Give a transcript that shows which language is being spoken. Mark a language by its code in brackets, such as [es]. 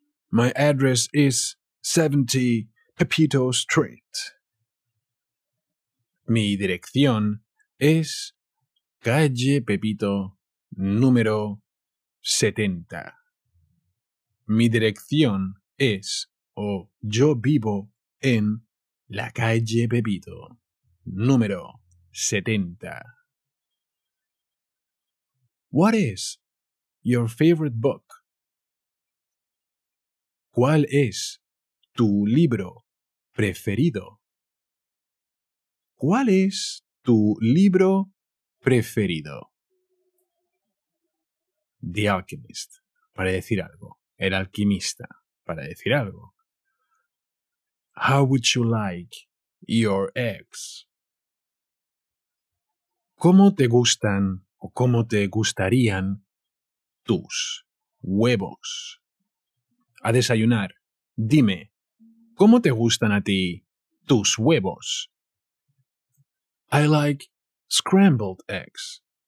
[en] My address is 70 Pepito Street. [es] Mi dirección es calle Pepito número 70. Mi dirección es, o yo vivo en La calle Pepito, número 70. [en] What is your favorite book? [es] ¿Cuál es tu libro preferido? ¿Cuál es tu libro preferido? The Alchemist, para decir algo. El alquimista, para decir algo. [en] How would you like your eggs? [es] ¿Cómo te gustan o cómo te gustarían tus huevos? A desayunar, dime, ¿cómo te gustan a ti tus huevos? [en] I like scrambled eggs.